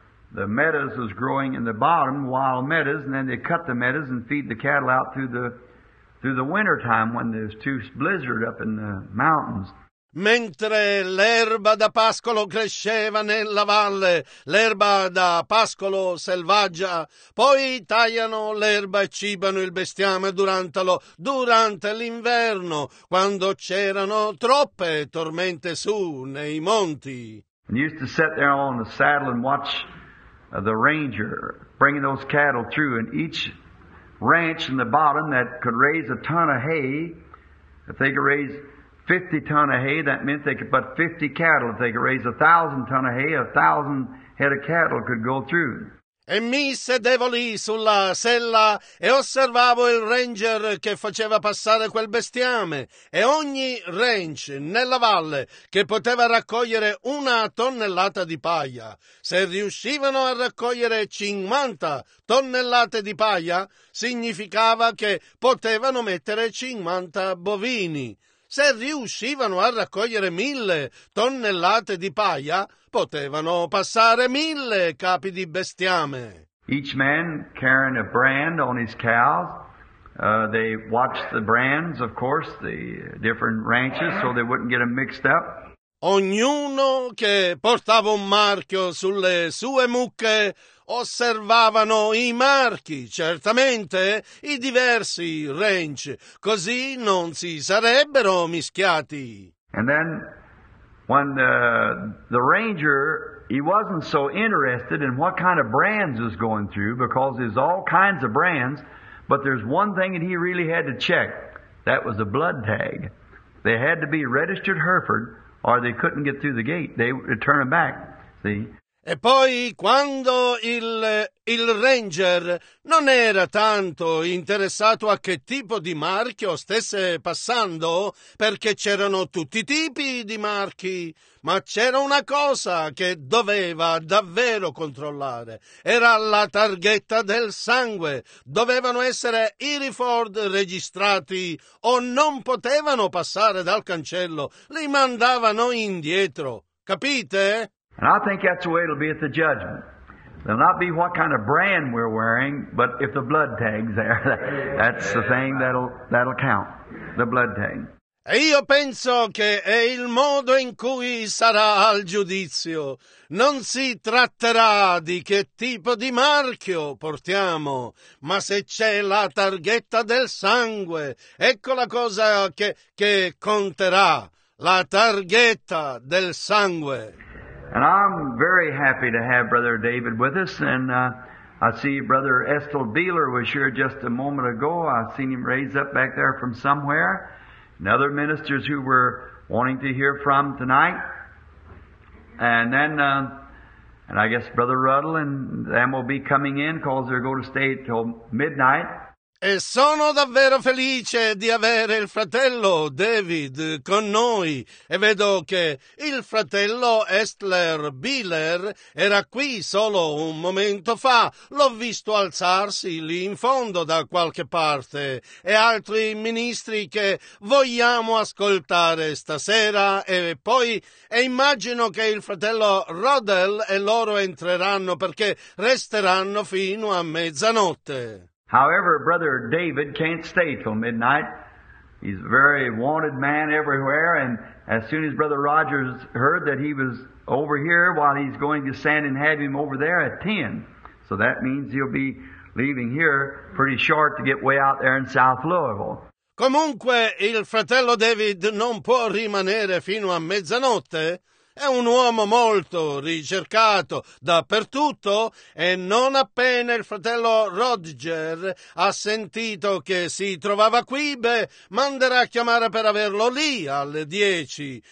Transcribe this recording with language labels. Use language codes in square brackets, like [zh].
[en] The meadows was growing in the bottom, wild meadows, and then they cut the meadows and feed the cattle out through the winter time when there's too blizzard up in the mountains. [it] Mentre l'erba da pascolo cresceva nella valle, l'erba da pascolo selvaggia, poi tagliano l'erba e cibano il bestiame durante l'inverno, quando c'erano troppe tormente su nei monti. [en] And used to sit there on the saddle and watch the ranger bringing those cattle through, and each ranch in the bottom that could raise a ton of hay, if they could raise 50 ton of hay, that meant they could put 50 cattle. If they could raise 1,000 ton of hay, 1,000 head of cattle could go through. [it] E mi sedevo lì sulla sella e osservavo il ranger che faceva passare quel bestiame, e ogni ranch nella valle che poteva raccogliere una tonnellata di paglia, se riuscivano a raccogliere 50 tonnellate di paglia, significava che potevano mettere 50 bovini. Se riuscivano a raccogliere 1,000 tonnellate di paglia, potevano passare 1,000 capi di bestiame. [en] Each man carrying a brand on his cows, they watched the brands, of course, the different ranches, so they wouldn't get them mixed up. [it] Ognuno che portava un marchio sulle sue mucche osservavano i marchi, certamente, i diversi ranch, così non si sarebbero mischiati. [en] And then, when the ranger, he wasn't so interested in what kind of brands was going through, because there's all kinds of brands, but there's one thing that he really had to check, that was a blood tag. They had to be registered Hereford, or they couldn't get through the gate, they would turn them back, see? [it] E poi, quando il ranger non era tanto interessato a che tipo di marchio stesse passando, perché c'erano tutti i tipi di marchi, ma c'era una cosa che doveva davvero controllare. Era la targhetta del sangue. Dovevano essere Hereford registrati o non potevano passare dal cancello. Li mandavano indietro. Capite? [en] And I think that's the way it'll be at the judgment. It'll not be what kind of brand we're wearing, but if the blood tag's there, that's the thing that'll count, the blood tag. [it] E io penso che è il modo in cui sarà al giudizio. Non si tratterà di che tipo di marchio portiamo, ma se c'è la targhetta del sangue, ecco la cosa che conterà, la targhetta del sangue. [en] And I'm very happy to have Brother David with us, and I see Brother Estel Beeler was here just a moment ago. I seen him raise up back there from somewhere, and other ministers who were wanting to hear from tonight, and then, and I guess Brother Ruddle and them will be coming in, because they're going to stay till midnight. [it] E sono davvero felice di avere il fratello David con noi. E vedo che il fratello Estler Biller era qui solo un momento fa. L'ho visto alzarsi lì in fondo da qualche parte. E altri ministri che vogliamo ascoltare stasera. E poi e immagino che il fratello Rodel e loro entreranno perché resteranno fino a mezzanotte. [en] However, Brother David can't stay till midnight. He's a very wanted man everywhere, and as soon as Brother Rogers heard that he was over here, while he's going to send and have him over there at 10. So that means he'll be leaving here pretty short to get way out there in South Louisville. [it] Comunque, il fratello David non può rimanere fino a mezzanotte. È un uomo molto ricercato dappertutto e non appena il fratello Roger ha sentito che si trovava qui, beh, manderà a chiamare per averlo lì alle 10.